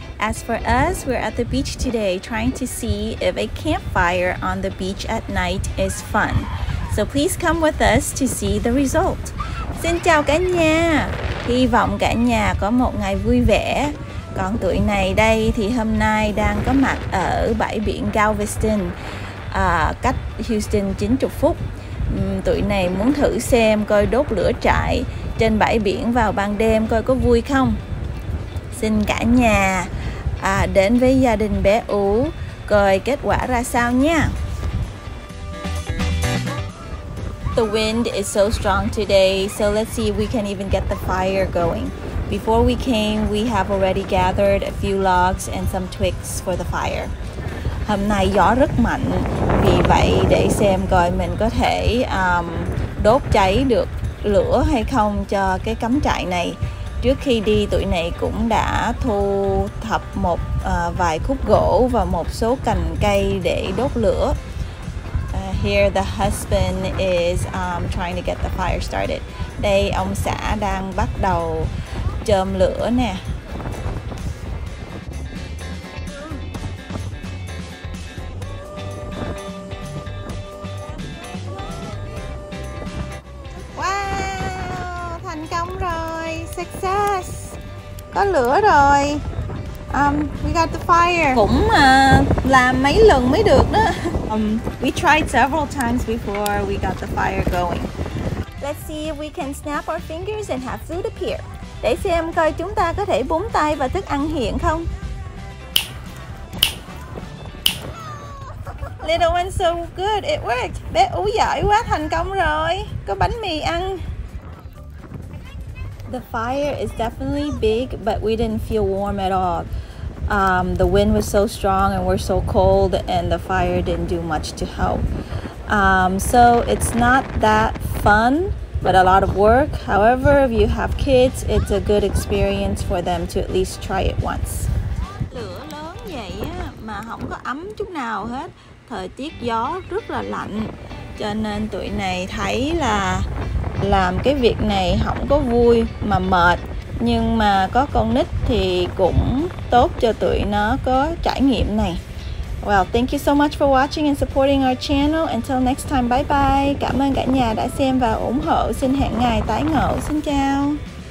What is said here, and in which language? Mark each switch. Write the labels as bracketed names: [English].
[English] As for us, we're at the beach today trying to see if a campfire on the beach at night is fun. So please come with us to see the result. [Vietnamese] Xin chào cả nhà. Hy vọng cả nhà có một ngày vui vẻ. Còn tụi này đây thì hôm nay đang có mặt ở bãi biển Galveston, cách Houston 90 phút. Tụi này muốn thử xem coi đốt lửa trại trên bãi biển vào ban đêm coi có vui không. Xin cả nhà đến với gia đình bé Ú coi kết quả ra sao nha. [English] The wind is so strong today, so let's see if we can even get the fire going. Before we came, we have already gathered a few logs and some twigs for the fire. [Vietnamese] Hôm nay gió rất mạnh, vì vậy để xem coi mình có thể đốt cháy được lửa hay không cho cái cắm trại này. Trước khi đi, tụi này cũng đã thu thập một vài khúc gỗ và một số cành cây để đốt lửa. [English] Here the husband is trying to get the fire started. [Vietnamese] Đây ông xã đang bắt đầu châm lửa nè. Wow, thành công rồi. [English] Success. [Vietnamese] Có lửa rồi. [English] We got the fire. [Vietnamese] Cũng làm mấy lần mới được đó. [English] We tried several times before we got the fire going. Let's see if we can snap our fingers and have food appear. [Vietnamese] Để xem coi chúng ta có thể búng tay và thức ăn hiện không. [English] Little one so good, it worked. [Vietnamese] Bé Ú giỏi quá, thành công rồi. Có bánh mì ăn. [English] The fire is definitely big, but we didn't feel warm at all. The wind was so strong and we're so cold and the fire didn't do much to help. So it's not that fun, but a lot of work. However, if you have kids, it's a good experience for them to at least try it once. [Vietnamese] Lửa lớn vậy á, mà không có ấm chút nào hết. Thời tiết gió rất là lạnh. Cho nên tụi này thấy là làm cái việc này không có vui mà mệt. Nhưng mà có con nít thì cũng tốt cho tụi nó có trải nghiệm này. [English] Well, thank you so much for watching and supporting our channel. Until next time, bye bye. [Vietnamese] Cảm ơn cả nhà đã xem và ủng hộ. Xin hẹn ngày tái ngộ. Xin chào.